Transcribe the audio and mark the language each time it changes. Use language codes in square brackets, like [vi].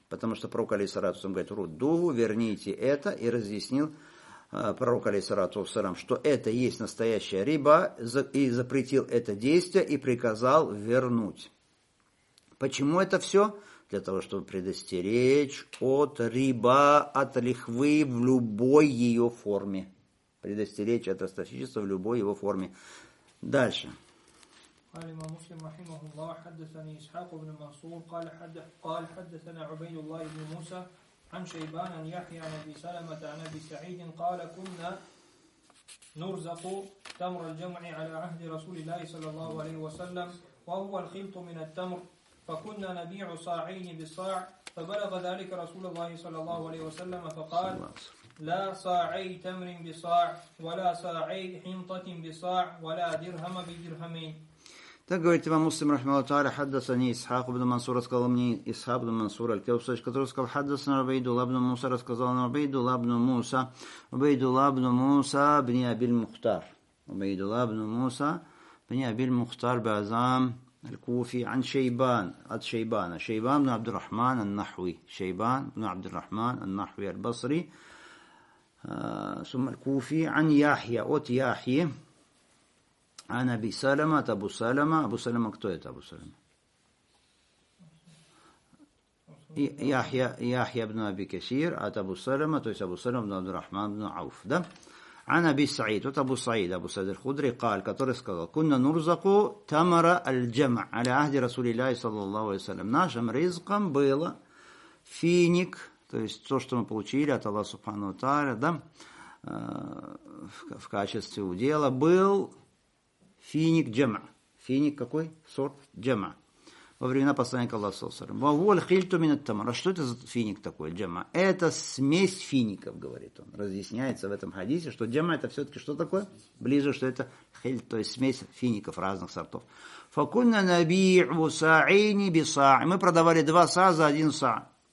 [ru] Потому что пророк алейхиссалату вассалям говорит: «Руддуху», верните это, и разъяснил пророк алейхиссалату вассалям, что это есть настоящая риба, и запретил это действие, и приказал вернуть. Почему это все? Для того, чтобы предостеречь от риба, от лихвы в любой ее форме. Предостеречь от ростовщичества в любой его форме. Дальше. [ar] قال الإمام مسلم رحمه الله حدثني إسحاق بن منصور قال حدثنا عبيد الله بن موسى عن شيبان عن يحيى عن أبي سلمة عن أبي سعيد قال كنا نرزق تمر الجمع على عهد رسول الله صلى الله عليه وسلم وهو الخلط من التمر فكنا نبيع صاعين بالصاع فبلغ ذلك رسول الله صلى الله عليه وسلم فقال لا صاعي تمر بصاع ولا صاعي حنطة بصاع ولا درهم بدرهمين. [ru] Так говорит имам Муслим, рахмаху Аллах, хаддасани Исхак ибн Мансур, рассказал мне Исхак ибн Мансур, аль-Кёсач, который сказал, хаддасани Убайдулла ибн Муса, рассказал нам Убайдулла ибн Муса, ибн Абиль Мухтар. Убайдулла ибн Муса, ибн Абиль Мухтар, Базам, аль-Куфи, ан Шейбан, от Шейбана. Шейбан ибн Абдур-Рахман, ан-Нахви. Шейбан ибн Абдур-Рахман, ан-Нахви, аль-Басри. Сумма аль-Куфи, ан Яхья, от Яхьи. [ar] عن أبي سلمة أبو سلمة أبو سلمة [ru] кто это [ar] أبو سلمة يحيى بن أبي كثير أبو سلمة [ru] то есть [ar] أبو سلمة بن عبد الرحمن بن عوف да عن أبي سعيد [ru] вот [ar] أبو سعيد أبو سعيد الخدري قال [ru] который сказал [ar] كنا نرزق تمر الجمع على عهد رسول الله صلى الله عليه وسلم [ru] нашим رزقом было финик то есть то что мы получили от Аллаха Субхану Тааля да в качестве удела был финик джема. Финик какой? Сорт джема. Во времена посланника Аллаха Сосара. [ar] Ваволь хильту минат тамар. [ru] А что это за финик такой, джема? Это смесь фиников, говорит он. Разъясняется в этом хадисе, что джема это все-таки что такое? Ближе, что это хильт, то есть смесь фиников разных сортов. [ar] Факунна наби'у са'ини биса. [ru] Мы продавали два са за один са.